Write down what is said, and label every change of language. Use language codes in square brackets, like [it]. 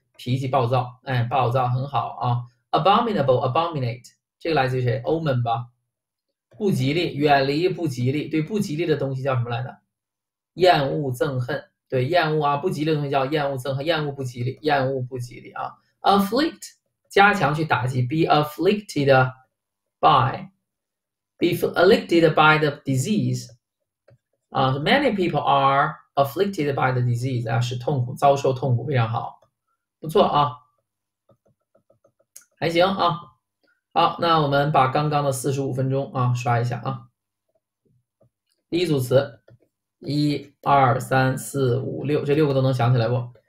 [zh] 脾气暴躁，哎，暴躁很好啊。Abominable，abominate，这个来自于谁？omen 吧，不吉利，远离不吉利，对不吉利的东西叫什么来着？厌恶、憎恨，对，厌恶啊，不吉利的东西叫厌恶、憎恨，厌恶不吉利，厌恶不吉利啊。 [en] Afflict， [zh] 加强去打击， [en] be afflicted by，be afflicted by the disease 啊。Many people are afflicted by the disease [zh] 啊，是痛苦，遭受痛苦，非常好，不错啊，还行啊。好，那我们把刚刚的45分钟啊刷一下啊。第一组词，一二三四五六，这6个都能想起来不？